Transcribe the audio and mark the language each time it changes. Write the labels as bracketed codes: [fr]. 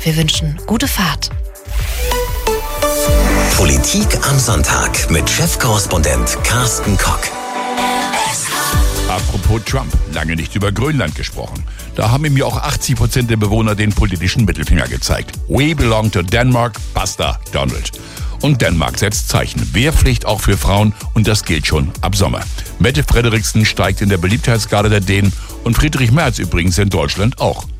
[de] Wir wünschen gute Fahrt. Politik am Sonntag mit Chefkorrespondent Carsten Koch. Apropos Trump, lange nicht über Grönland gesprochen. Da haben ihm ja auch 80% der Bewohner den politischen Mittelfinger gezeigt. [en] We belong to Denmark, basta, Donald. [de] Und Dänemark setzt Zeichen. Wehrpflicht auch für Frauen und das gilt schon ab Sommer. Mette Frederiksen steigt in der Beliebtheitsskala der Dänen und Friedrich Merz übrigens in Deutschland auch.